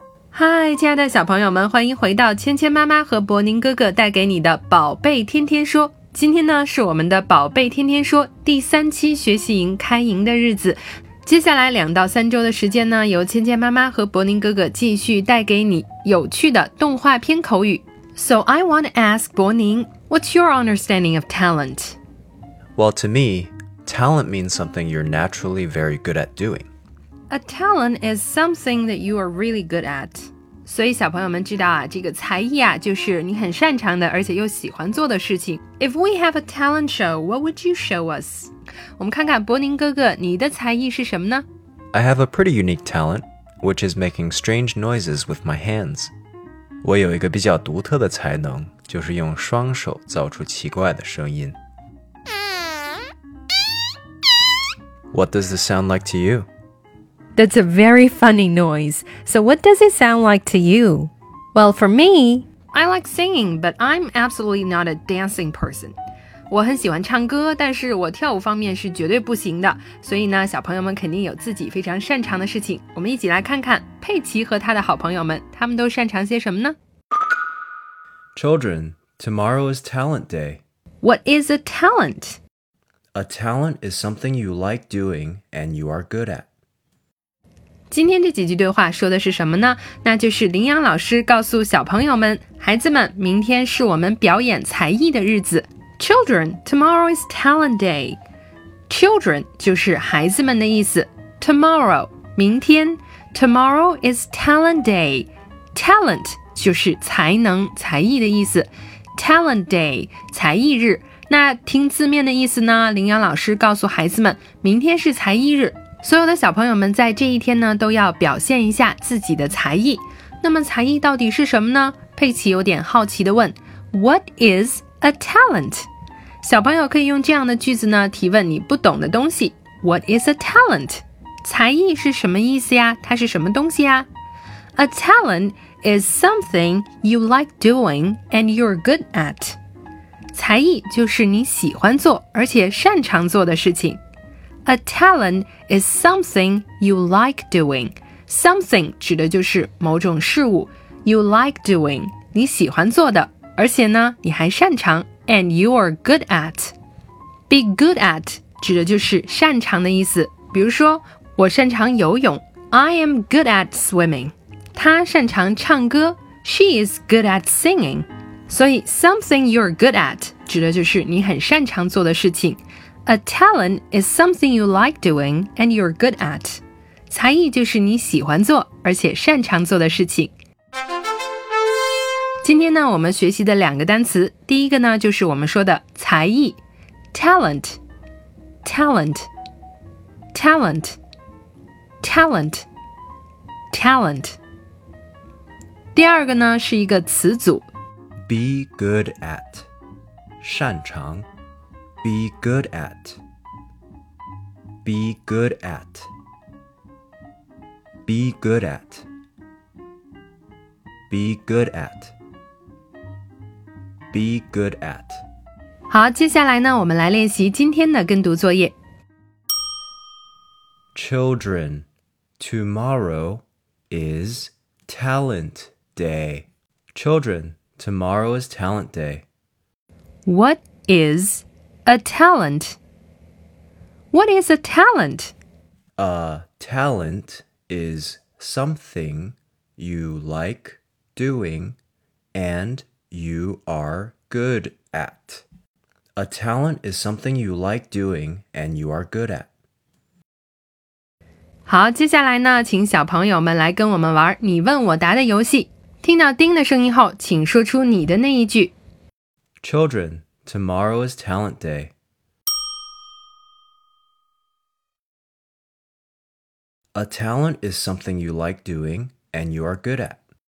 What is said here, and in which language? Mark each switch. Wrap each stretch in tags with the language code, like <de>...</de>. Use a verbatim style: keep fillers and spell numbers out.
<zh>嗨，亲爱的小朋友们，欢迎回到芊芊妈妈和博宁哥哥带给你的宝贝天天说。今天呢，是我们的宝贝天天说第三期学习营开营的日子。接下来两到三周的时间呢，由芊芊妈妈和博宁哥哥继续带给你有趣的动画片口语。</zh> <en>So I want to ask Boning, what's your understanding of talent? Well, to me, talent means something you're naturally very good at doing. A talent is something that you are really good at.</en> <zh>所以小朋友们知道啊，这个才艺啊，就是你很擅长的，而且又喜欢做的事情。</zh> <en>If we have a talent show, what would you show us?</en> <zh>我们看看伯宁哥哥，你的才艺是什么呢？</zh> <en>I have a pretty unique talent, which is making strange noises with my hands.</en> <zh>我有一个比较独特的才能，就是用双手造出奇怪的声音。</zh> <en>What does this sound like to you? That's a very funny noise. So what does it sound like to you? Well, for me, I like singing, but I'm absolutely not a dancing person.</en> <zh>我很喜欢唱歌，但是我跳舞方面是绝对不行的，所以呢，小朋友们肯定有自己非常擅长的事情。我们一起来看看佩奇和他的好朋友们，他们都擅长些什么呢？</zh> <en>Children, tomorrow is talent day. What is a talent? A talent is something you like doing and you are good at.</en> <zh>今天这几句对话说的是什么呢？那就是林阳老师告诉小朋友们，孩子们，明天是我们表演才艺的日子。</zh> <en>Children, tomorrow is talent day.</en> <zh>Children 就是孩子们的意思。Tomorrow, 明天。</zh> <en>Tomorrow is talent day.</en> <zh>Talent 就是才能、才艺的意思。</zh> <en>Talent day, 才艺日。</en> <zh>那听字面的意思呢，林阳老师告诉孩子们，明天是才艺日。所有的小朋友们在这一天呢，都要表现一下自己的才艺。那么才艺到底是什么呢？佩奇有点好奇地问</zh> <en>What is a talent?</en> <zh>小朋友可以用这样的句子呢，提问你不懂的东西。</zh> <en>What is a talent?</en> <zh>才艺是什么意思呀？它是什么东西呀？</zh> <en>A talent is something you like doing and you're good at.</en> <zh>才艺就是你喜欢做，而且擅长做的事情。</zh> <en>A talent is something you like doing.</en> <zh>Something 指的就是某种事物</zh> <en>you like doing,</en> <zh>你喜欢做的，而且呢，你还擅长。</zh> <en>And you are good at.</en> <zh>Be good at 指的就是擅长的意思。比如说，我擅长游泳</zh> <en>I am good at swimming.</en> <zh>她擅长唱歌</zh> <en>She is good at singing.</en> <zh>所以</zh> <en>something you're good at</en> <zh>指的就是你很擅长做的事情。</zh> <en>A talent is something you like doing and you're good at.</en> <zh>才艺就是你喜欢做，而且擅长做的事情。今天呢，我们学习的两个单词，第一个呢，就是我们说的才艺 talent talent talent talent talent 第二个呢，是一个词组</zh> <en>be good at 擅长 be good at be good at be good at be good at Be good at.</en> <zh>好，接下来呢，我们来练习今天的跟读作业。</zh> <en>Children, tomorrow is talent day. Children, tomorrow is talent day. What is a talent? What is a talent? A talent is something you like doing and you are good at. A talent is something you like doing and you are good at.</en> <zh>好，接下来呢，请小朋友们来跟我们玩你问我答的游戏。听到叮的声音后，请说出你的那一句。</zh> <en>Children, tomorrow is talent day. A talent is something you like doing and you are good at.</en>